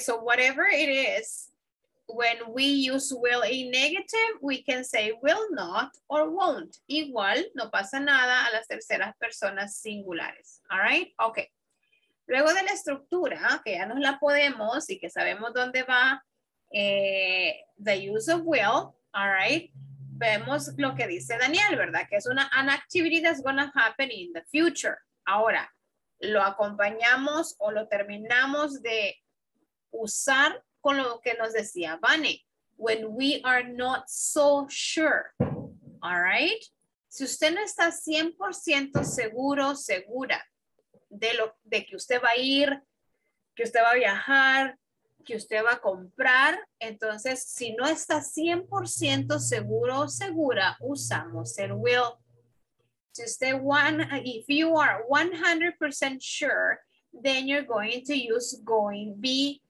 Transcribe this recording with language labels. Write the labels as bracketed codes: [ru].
[en] So whatever it is, when we use will in negative, we can say will not or won't. [es] Igual, no pasa nada a las terceras personas singulares. All right? Okay. Luego de la estructura, que ya nos la podemos y que sabemos dónde va [en] the use of will, all right? [es] Vemos lo que dice Daniel, ¿verdad? Que es una [en] an activity that's going to happen in the future. [es] Ahora, lo acompañamos o lo terminamos de usar con lo que nos decía Vane, [en] when we are not so sure, [es] all right? Si usted no está 100% seguro, segura de lo de que usted va a ir, que usted va a viajar, que usted va a comprar, entonces si no está 100% seguro o segura, usamos el will. Si usted [en] if you are 100% sure, then you're going to use going be.